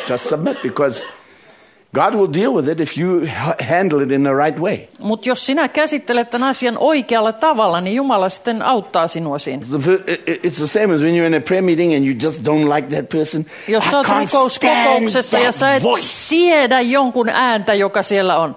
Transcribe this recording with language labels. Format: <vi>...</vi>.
<en>Just submit, because God will deal with it if you handle it in the right way.</en> <fi>Mut jos sinä käsittelet tämän asian oikealla tavalla, niin Jumala sitten auttaa sinua siinä.</fi> <en>It's the same as when you're in a prayer meeting and you just don't like that person.</en> <fi>Jos sä oot rukouskokouksessa ja sä et siedä jonkun ääntä, joka siellä on.</fi>